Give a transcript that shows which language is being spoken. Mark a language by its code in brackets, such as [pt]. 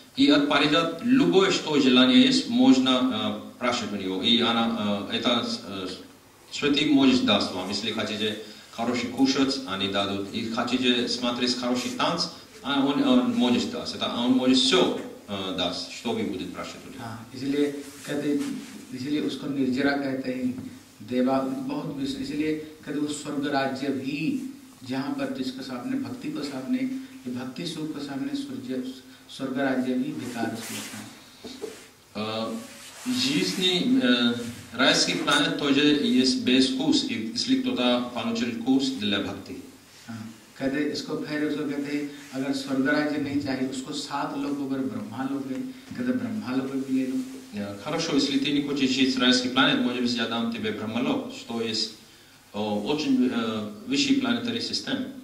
[ru] И от Парижат любое что желание есть можно прошить у него. И она это Святый может даст вам, если хотите хороший кушать, они дадут. И хотите смотреть хороший танц, он может даст. Это он может все даст, что вы будете спрашивать у него. Если [hi] उसको निर्जरा कहते हैं देवा बहुत इसलिए कहते उस स्वर्ग राज्य भी जहां पर जिसके सामने भक्ति को सामने ये भक्ति सुख को सामने स्वर्ग स्वर्ग राज्य भी बेकार से लगता है [ru] Жизни райский планет тоже есть без вкус, если кто-то получил вкус для бхакти. Когда [hi] इसको फिर उसको कहते हैं अगर स्वर्ग राज्य नहीं चाहिए उसको सात लोगों पर ब्रह्मा लोग हैं कहते ब्रह्मा लोग भी ले लो [ru] Хорошо, если ты не хочешь жить в райской планете, может быть, я дам тебе Брахмалок, что есть очень высший планетарий систем.